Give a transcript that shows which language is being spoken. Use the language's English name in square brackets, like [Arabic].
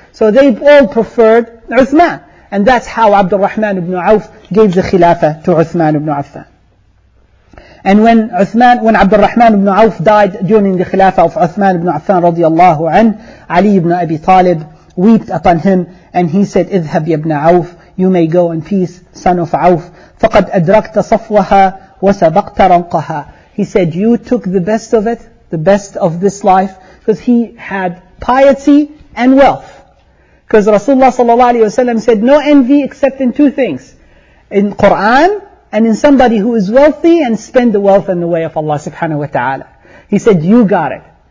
[English] So they all preferred Uthman. And that's how Abdul Rahman ibn Auf gave the Khilafah to Uthman ibn Affan. And when Abdul Rahman ibn Auf died during the Khilafah of Uthman ibn Affan radiallahu anhu, Ali ibn Abi Talib wept upon him and he said, [Arabic] اذهب يا ابن عوف, [English] you may go in peace, son of Auf. [Arabic] فقد أدركت صفوها وسبقت رنقها. [English] He said, you took the best of it, the best of this life, because he had piety and wealth. Because Rasulullah sallallahu alayhi wa sallam said, no envy except in two things. In Quran, and in somebody who is wealthy and spend the wealth in the way of Allah subhanahu wa ta'ala. He said, you got it.